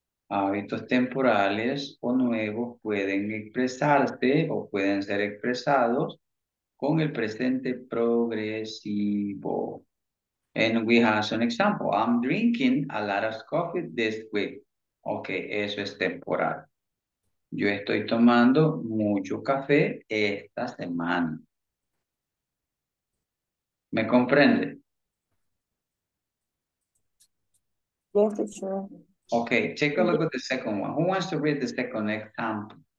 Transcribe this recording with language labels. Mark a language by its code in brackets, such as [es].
[es] Hábitos temporales o nuevos pueden expresarse o pueden ser expresados con el presente progresivo. [en] And we have an example. I'm drinking a lot of coffee this week. [es] Okay, eso es temporal. Yo estoy tomando mucho café esta semana. ¿Me comprende? [en] Yes, teacher. Okay, take a look at the second one. Who wants to read the second example?